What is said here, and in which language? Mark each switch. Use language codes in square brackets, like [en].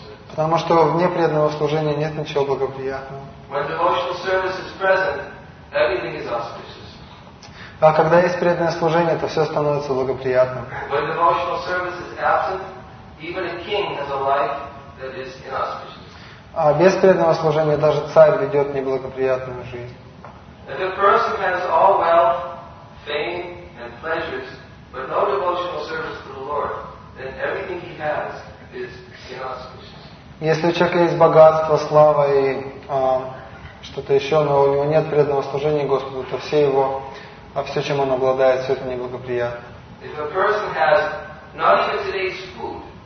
[ru] Потому что вне преданного служения нет ничего благоприятного. [en] When devotional service is present, everything is auspicious. [ru] А когда есть преданное служение, то все становится благоприятным. [en] When devotional service is absent, even a king has a life that is inauspicious. [ru] А без преданного служения даже царь ведет неблагоприятную жизнь. [en] that the person has all wealth, fame, and pleasures, but no devotional service to the Lord, then everything he has is inauspicious. [ru] Если у человека есть богатство, слава и что-то еще, но у него нет преданного служения Господу, то все его, а все, чем он обладает, все это неблагоприятно. [en] If a person has not even today's food,